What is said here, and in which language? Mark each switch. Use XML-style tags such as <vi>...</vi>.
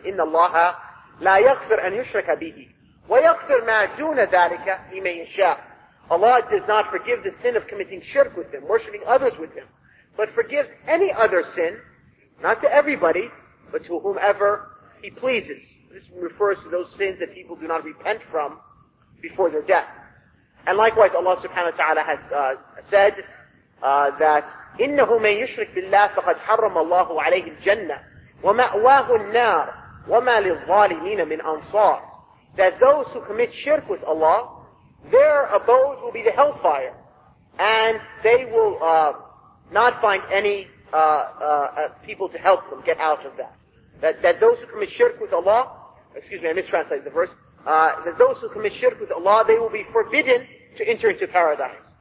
<ar>إِنَّ اللَّهَ لَا يَغْفِرْ أَنْ يُشْرَكَ بِهِ وَيَغْفِرْ مَا دُونَ ذَلِكَ هِمَا يَشَاءُ.</ar> <en>Allah does not forgive the sin of committing shirk with Him, worshipping others with Him, but forgives any other sin, not to everybody, but to whomever He pleases. This refers to those sins that people do not repent from before their death. And likewise, Allah subhanahu wa ta'ala has said that</en> <ar>إِنَّهُ مَنْ يُشْرِكْ بِاللَّهِ فَقَدْ حَرَّمَ اللَّهُ عَلَيْهِ الْجَنَّةِ وَمَأْوَاهُ النَّارِ وَمَا لِلظَّالِمِينَ مِنْ أَنصَارِ.</ar> <en>That those who commit shirk with Allah, their abode will be the hellfire, and they will not find any people to help them get out of that. That those who commit shirk with Allah, excuse me, I mistranslated the verse, that those who commit shirk with Allah, they will be forbidden to enter into paradise.</en>